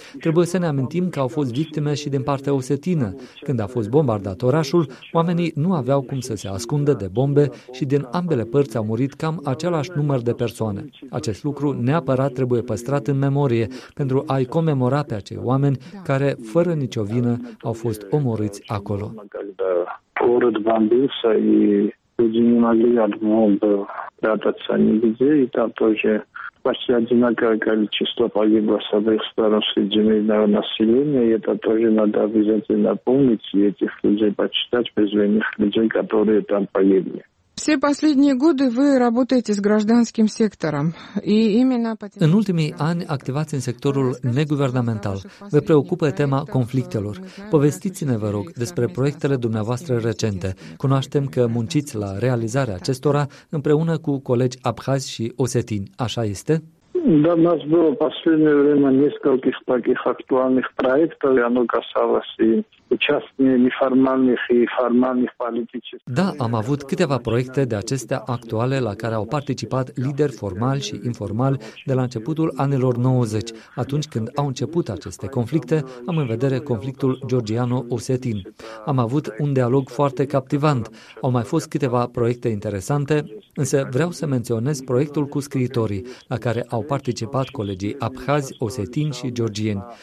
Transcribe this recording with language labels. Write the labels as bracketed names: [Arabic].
[Romanian] Trebuie să ne amintim că au fost victime și din partea osetină. Când a fost bombardat orașul, oamenii nu aveau cum să se ascundă de bombe și din ambele părți au murit cam același număr de persoane. Acest lucru neapărat trebuie păstrat în memorie pentru a-i comemora pe acei oameni care, fără nicio vină, au fost omorâți acolo. [Russian] Город бомбился, и люди не могли от бомбы прятаться нигде, и там тоже почти одинаковое количество погибло с обеих сторон среди мирного населения, и это тоже надо обязательно помнить, и этих людей почитать, безвинных людей, которые там погибли. Все последние годы вы работаете с гражданским сектором, и именно по [Romanian] În ultimii ani activați în sectorul neguvernamental. Vă preocupă tema conflictelor. Povestiți-ne, vă rog, despre proiectele dumneavoastră recente. Cunoaștem că munciți la realizarea acestora împreună cu colegi abhazi și osetini. Așa este? [Russian] Да, у нас было в последнее время несколько таких актуальных проектов, и оно касалось и частных, неформальных и формальных политических. [Romanian] Да, am avut câteva proiecte de acestea actuale la care au participat lideri formali și informali de la începutul anilor 90, atunci când au început aceste conflicte, am în vedere conflictul georgiano-osetin. Am avut un dialog foarte captivant. Au mai fost câteva proiecte interesante, însă vreau să menționez proiectul cu scriitorii, la care au participat colegii abhazi, osetini și georgieni.